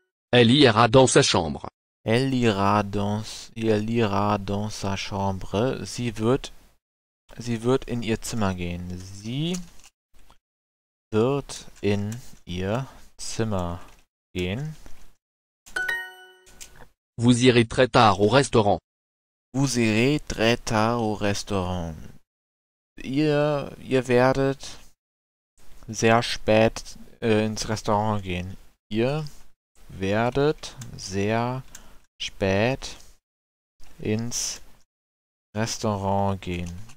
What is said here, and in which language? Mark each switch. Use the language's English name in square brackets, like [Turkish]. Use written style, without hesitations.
[French] Elle ira dans sa chambre. Elle ira dans sa chambre. [German] Sie wird in ihr Zimmer gehen. Sie wird in ihr Zimmer gehen. [French] Vous irez très tard au restaurant. Vous irez très tard au restaurant. [German] Ihr werdet sehr spät ins Restaurant gehen. Ihr werdet sehr spät ins Restaurant gehen.